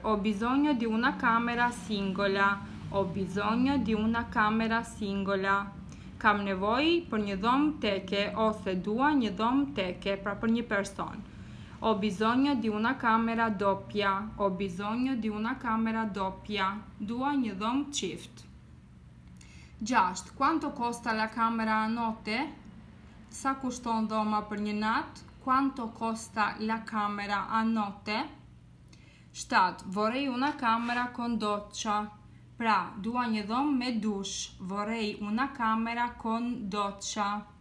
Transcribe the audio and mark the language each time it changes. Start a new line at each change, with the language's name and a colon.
Italian: Ho bisogno di una camera singola. Ho bisogno di una camera singola.
Albanian: Kam nevoj për një dhomë teke ose dua një dhomë teke, pra për një person.
Italian: Ho bisogno di una camera doppia. Ho bisogno di una camera doppia.
Albanian: Dua një dhomë çift. 6.
Italian: Quanto costa la camera a notte?
Albanian: Sa kushton dhoma për një natë?
Italian: Quanto costa la camera a notte? 7. Vorrei una camera con doccia.
Albanian: Pra, dua një dhomë me dush.
Italian: Vorrei una camera con doccia.